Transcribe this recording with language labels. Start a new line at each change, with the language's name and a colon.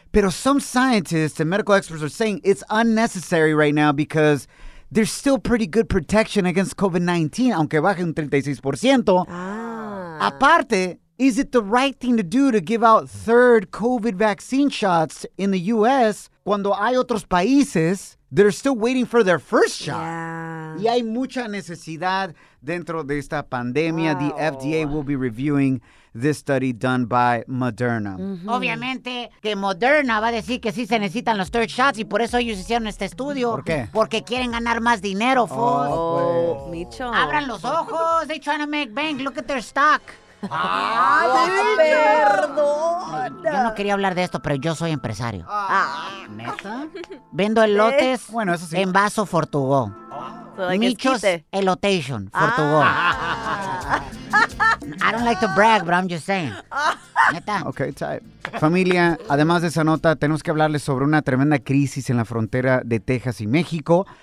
English: But some scientists and medical experts are saying it's unnecessary right now because there's still pretty good protection against COVID-19,
Spanish: aunque baje un 36%. Ah.
English: Aparte, is it the right thing to do to give out third COVID vaccine shots in the U.S.
Spanish: cuando hay otros países
English: that are still waiting for their first shot? Yeah.
Spanish: Y hay mucha necesidad dentro de esta pandemia.
English: Wow. The FDA will be reviewing this study done by Moderna. Mm-hmm.
Spanish: Obviamente que Moderna va a decir que sí se necesitan los third shots y por eso ellos hicieron este estudio. ¿Por qué? Porque quieren ganar más dinero, Foss. Oh, pues. Micho. Abran los ojos.
English: They're trying to make bank. Look at their stock.
Spanish: ¡Ay, perdón! Yo no quería hablar de esto, pero yo soy empresario. ¿Neta? Vendo elotes en vaso Fortugo.
English: Micho's elotation Fortugo. I don't like to brag, but I'm just saying.
Spanish: Neta.
English: Okay, type.
Spanish: Familia, además de esa nota, tenemos que hablarles sobre una tremenda crisis en la frontera de Texas y México.